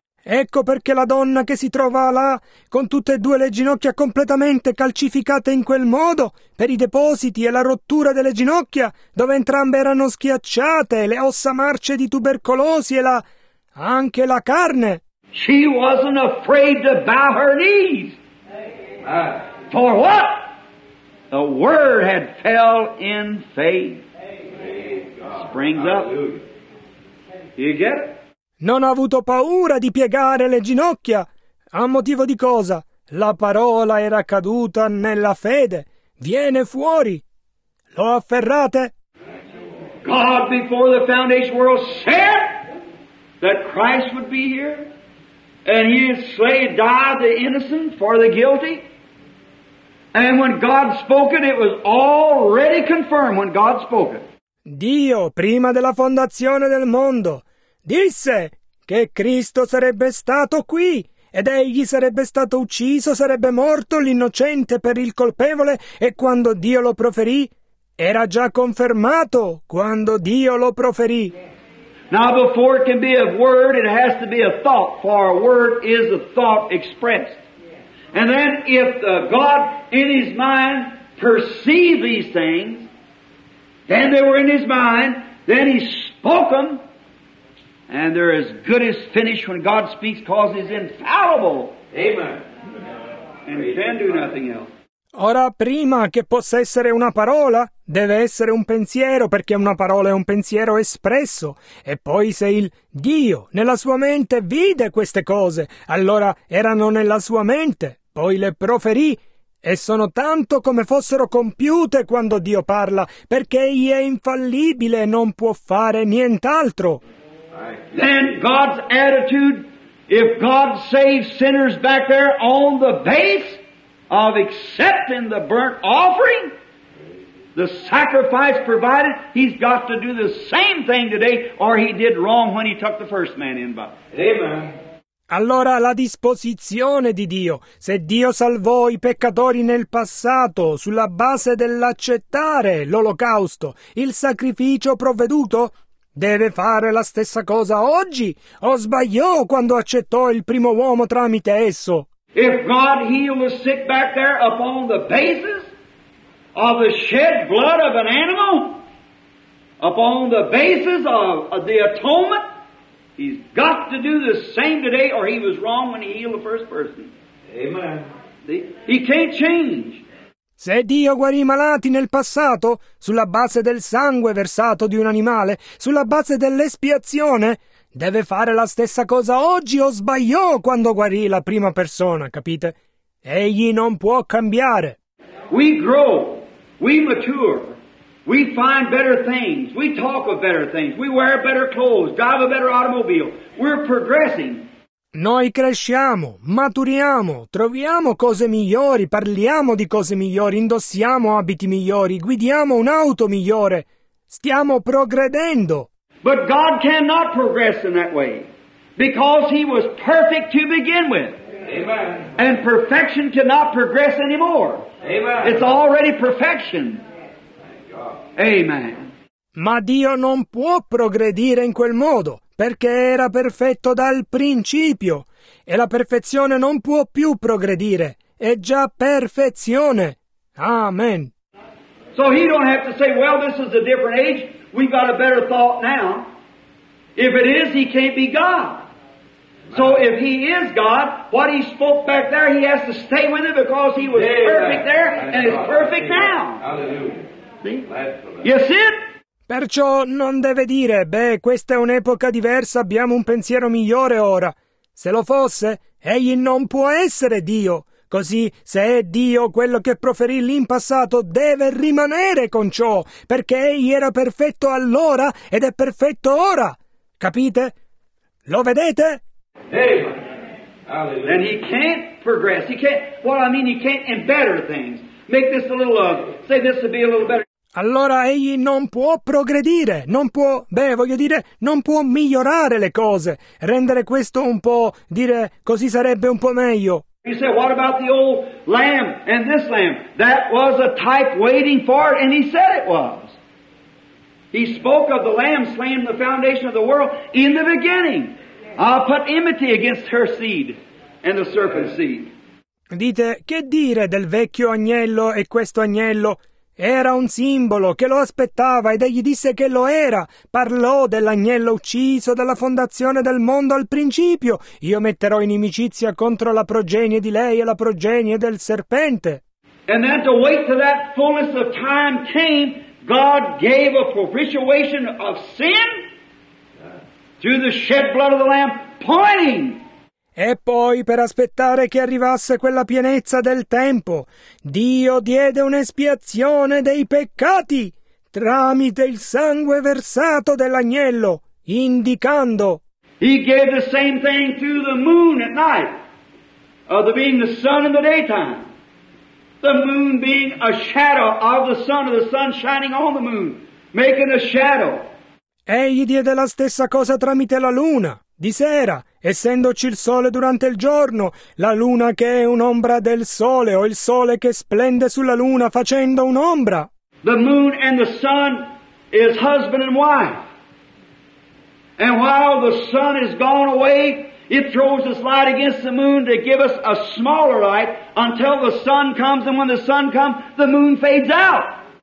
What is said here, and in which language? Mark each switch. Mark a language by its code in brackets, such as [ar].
[it] Ecco perché la donna che si trova là, con tutte e due le ginocchia completamente calcificate in quel modo, per i depositi e la rottura delle ginocchia, dove entrambe erano schiacciate, le ossa marce di tubercolosi e la... anche la carne. [en] She wasn't afraid to bow her knees. For what? The word had fell in faith. Springs up. You get it? [it] Non ha avuto paura di piegare le ginocchia. A motivo di cosa? La parola era caduta nella fede. Viene fuori. Lo afferrate? [en] God before the foundation world said that Christ would be here and he would slay and die the innocent for the guilty. And when God spoke it, it was already confirmed when God spoke it. [it] Dio, prima della fondazione del mondo, disse che Cristo sarebbe stato qui ed egli sarebbe stato ucciso, sarebbe morto l'innocente per il colpevole e quando Dio lo proferì, era già confermato quando Dio lo proferì. [en] Now before it can be a word, it has to be a thought, for a word is a thought expressed. And then if God in his mind perceived these things, then they were in his mind, then he spoke them. And they're as good as finished when God speaks, cause is infallible. Amen. And can do nothing else. [it] Ora, prima che possa essere una parola, deve essere un pensiero, perché una parola è un pensiero espresso. E poi se il Dio nella sua mente vide queste cose, allora erano nella sua mente, poi le proferì, e sono tanto come fossero compiute quando Dio parla, perché egli è infallibile e non può fare nient'altro. [en] Then God's attitude, if God saves sinners back there on the base of accepting the burnt offering, the sacrifice provided, he's got to do the same thing today, or he did wrong when he took the first man in by. Amen. [it] Allora la disposizione di Dio, se Dio salvò i peccatori nel passato sulla base dell'accettare l'olocausto, il sacrificio provveduto, deve fare la stessa cosa oggi? O sbagliò quando accettò il primo uomo tramite esso? [en] If God healed the sick back there upon the basis of the shed blood of an animal, upon the basis of the atonement, he's got to do the same today, or he was wrong when he healed the first person. Amen. He can't change. [it] Se Dio guarì i malati nel passato, sulla base del sangue versato di un animale, sulla base dell'espiazione, deve fare la stessa cosa oggi o sbagliò quando guarì la prima persona, capite? Egli non può cambiare. [en] We grow, we mature, we find better things, we talk of better things, we wear better clothes, drive a better automobile, we're progressing. [it] Noi cresciamo, maturiamo, troviamo cose migliori, parliamo di cose migliori, indossiamo abiti migliori, guidiamo un'auto migliore. Stiamo progredendo. [en] But God cannot progress in that way, because he was perfect to begin with. Amen. And perfection cannot progress anymore. Amen. It's already perfection. Amen. [it] Ma Dio non può progredire in quel modo, perché era perfetto dal principio, e la perfezione non può più progredire, è già perfezione. Amen. [en] So he don't have to say, well, this is a different age, we've got a better thought now. If it is, he can't be God. So if he is God, what he spoke back there, he has to stay with it, because he was perfect there and is perfect now. Hallelujah. See? You see? [it] Perciò non deve dire, beh, questa è un'epoca diversa, abbiamo un pensiero migliore ora. Se lo fosse, egli non può essere Dio. Così, se è Dio, quello che proferì lì in passato deve rimanere con ciò, perché egli era perfetto allora ed è perfetto ora. Capite? Lo vedete? Amen. [en] And he can't progress. He can't, what I mean, he can't in better things. Make this a little, say this to be a little better. [it] Allora egli non può progredire, non può, beh, voglio dire, non può migliorare le cose. Rendere questo un po', dire, così sarebbe un po' meglio. [en] You say, what about the old lamb and this lamb? That was a type waiting for it, and he said it was. He spoke of the lamb slain the foundation of the world in the beginning. I'll put enmity against her seed and the serpent's seed. [it] Dite, che dire del vecchio agnello e questo agnello? Era un simbolo che lo aspettava ed egli disse che lo era. Parlò dell'agnello ucciso dalla fondazione del mondo al principio. Io metterò in inimicizia contro la progenie di lei e la progenie del serpente. [en] And then to wait till that fullness of time came, God gave a propitiation of sin through the shed blood of the Lamb, pointing. [it] E poi, per aspettare che arrivasse quella pienezza del tempo, Dio diede un'espiazione dei peccati tramite il sangue versato dell'agnello, indicando. [en] He gave the same thing through the moon at night, of the being the sun in the daytime, the moon being a shadow of the sun shining on the moon, making a shadow. [it] Egli diede la stessa cosa tramite la luna. Di sera, essendoci il sole durante il giorno, la luna che è un'ombra del sole, o il sole che splende sulla luna facendo un'ombra. [en] The moon and the sun is husband and wife. And while the sun is gone away, it throws its light against the moon to give us a smaller light until the sun comes, and when the sun comes, the moon fades out.